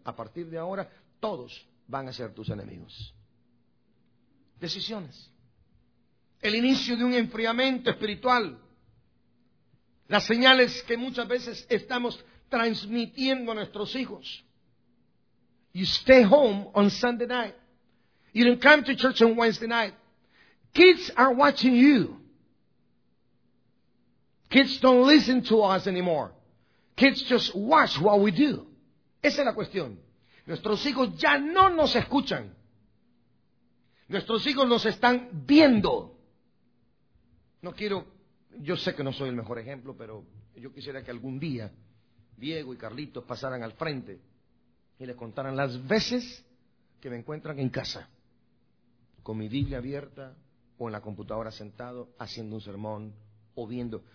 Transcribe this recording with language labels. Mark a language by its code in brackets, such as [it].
[es] A partir de ahora, todos van a ser tus enemigos. Decisiones. El inicio de un enfriamiento espiritual. Las señales que muchas veces estamos transmitiendo a nuestros hijos. [en] You stay home on Sunday night. You don't come to church on Wednesday night. Kids are watching you. Kids don't listen to us anymore. Kids just watch what we do. [es] Esa es la cuestión. Nuestros hijos ya no nos escuchan. Nuestros hijos nos están viendo. No quiero, yo sé que no soy el mejor ejemplo, pero yo quisiera que algún día Diego y Carlitos pasaran al frente y les contaran las veces que me encuentran en casa, con mi Biblia abierta o en la computadora sentado, haciendo un sermón o viendo.